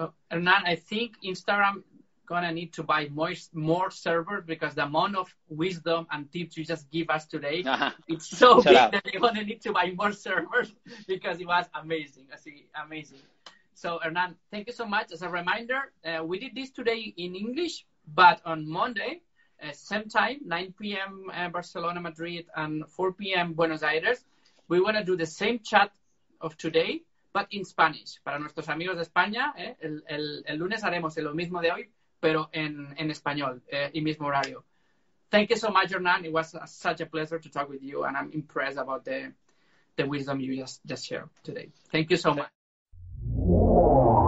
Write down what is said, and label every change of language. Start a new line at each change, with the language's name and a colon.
English: Hernan, I think Instagram going to need to buy more servers because the amount of wisdom and tips you just give us today, it's so big that they're going to need to buy more servers because it was amazing. I see, amazing. So, Hernan, thank you so much. As a reminder, we did this today in English, but on Monday, same time, 9 p.m. Barcelona, Madrid, and 4 p.m. Buenos Aires, we want to do the same chat of today, but in Spanish.
Spanish: Para nuestros amigos de España, el lunes haremos lo mismo de hoy, pero en español, y mismo horario.
English: Thank you so much, Hernan. It was such a pleasure to talk with you, and I'm impressed about the wisdom you just shared today. Thank you so much.